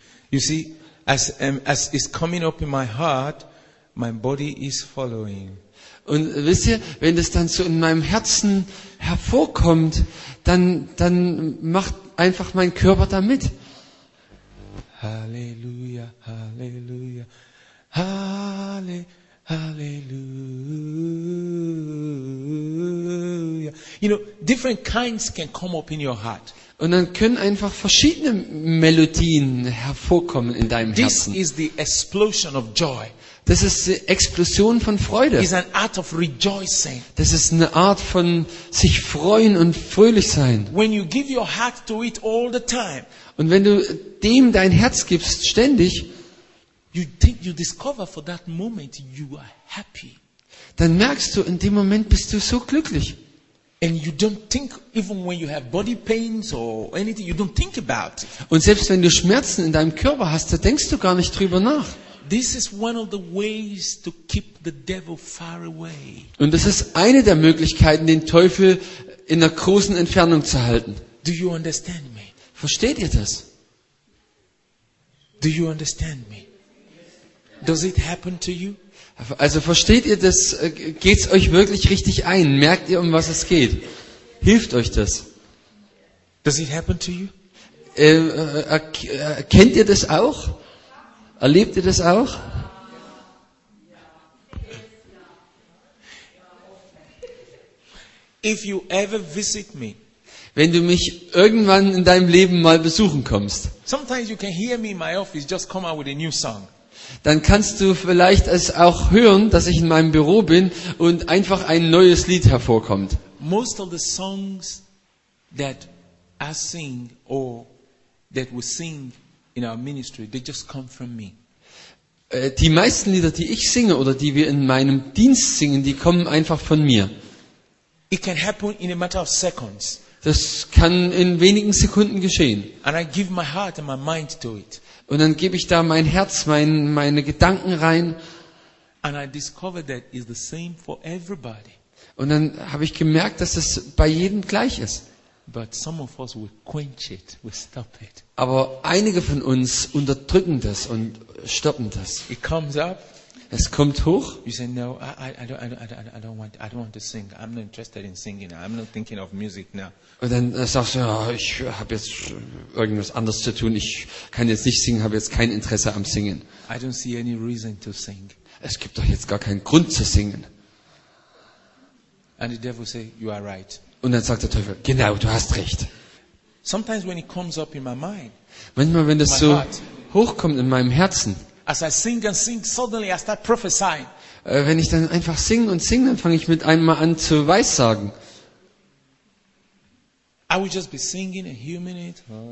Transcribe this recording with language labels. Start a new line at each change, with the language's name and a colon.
English: You see, as it's coming up in my heart, my body is following.
German: Und wisst ihr, wenn das dann so in meinem Herzen hervorkommt, dann macht einfach mein Körper damit. Halleluja, Halleluja, Halleluja.
English: You know, different kinds can come up in your heart.
German: Und dann können einfach verschiedene Melodien hervorkommen in deinem
English: This
German: Herzen.
English: Is the explosion of joy.
German: Das ist die Explosion von Freude.
English: It's an art of rejoicing.
German: Das ist eine Art von sich freuen und fröhlich sein.
English: When you give your heart to it all the time,
German: und wenn du dem dein Herz gibst ständig,
English: you think you discover for that moment you are happy.
German: Dann merkst du, in dem Moment bist du so glücklich.
English: And you don't think even when you have body pains or anything you don't think about.
German: Und selbst wenn du Schmerzen in deinem Körper hast, da denkst du gar nicht drüber nach.
English: This is one of the ways to keep the devil far away.
German: Und das ist eine der Möglichkeiten, den Teufel in der großen Entfernung zu halten.
English: Do you understand me?
German: Versteht ihr das?
English: Do you understand me? Does it happen to you?
German: Also versteht ihr das? Geht's euch wirklich richtig ein? Merkt ihr, um was es geht? Hilft euch das?
English: Does it happen to you?
German: Kennt ihr das auch? Erlebt ihr das auch?
English: If you ever visit me,
German: wenn du mich irgendwann in deinem Leben mal besuchen kommst,
English: sometimes you can hear me in my office just come out with a new song.
German: Dann kannst du vielleicht es auch hören, dass ich in meinem Büro bin und einfach ein neues Lied hervorkommt.
English: Most of the songs that I sing or that we sing in our ministry, they just come from me.
German: Die meisten Lieder, die ich singe oder die wir in meinem Dienst singen, die kommen einfach von mir.
English: It can happen in a matter of seconds.
German: Das kann in wenigen Sekunden geschehen.
English: And I give my heart and my mind to it.
German: Und dann gebe ich da mein Herz, meine Gedanken rein.
English: And I discovered that it's the same for everybody.
German: Und dann habe ich gemerkt, dass es bei jedem gleich ist.
English: But some of us will quench it, will stop it.
German: Aber einige von uns unterdrücken das und stoppen das.
English: It comes up.
German: Es kommt hoch.
English: You say no, I don't want to sing. I'm not interested in singing. I'm not thinking of music now.
German: Und dann sagst du, ja, ich habe jetzt irgendwas anderes zu tun. Ich kann jetzt nicht singen, habe jetzt kein Interesse am Singen.
English: I don't see any reason to sing.
German: Es gibt doch jetzt gar keinen Grund zu singen.
English: And the devil say, you are right.
German: Und dann sagt der Teufel, genau, du hast recht.
English: Sometimes when it comes up in my mind.
German: Manchmal, wenn das so
English: heart,
German: hochkommt in meinem Herzen.
English: As I sing and sing, suddenly I start prophesying.
German: Wenn ich dann einfach singe und singe, dann fange ich mit einmal an zu weissagen.
English: I will just be singing and humming it.